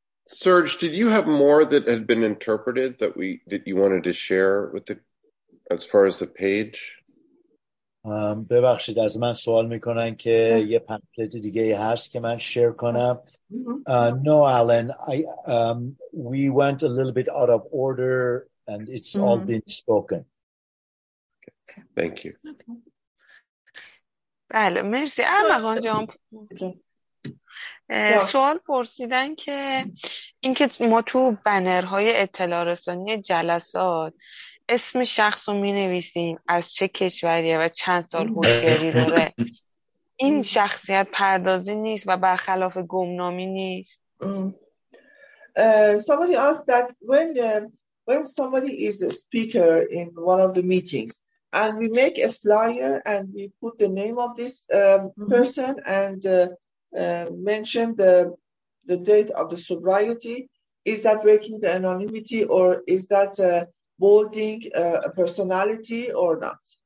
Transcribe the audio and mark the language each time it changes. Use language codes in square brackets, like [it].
[en] Serge, did you have more that had been interpreted that you wanted to share with the as far as the page? [fa] ببخشید از من سوال میکنن که یه پمفلت دیگه هست که من شیر کنم. [en] No, Alan, we went a little bit out of order and it's mm-hmm. all been spoken. Okay. Thank you. [fa] بله مرسی ارمغان جان. سوال پرسیدن که اینکه ما تو بنرهای اطلاع رسانی جلسات اسم شخص رو می نویسیم از چه کشوریه و چند سال هوشیاری داره. این شخصیت پردازی نیست و برخلاف گمنامی نیست. [en] Somebody asked that when somebody is a speaker in one of the meetings and we make a flyer and we put the name of this person and mention the date of the sobriety, is that breaking the anonymity or is that bolding a personality or not?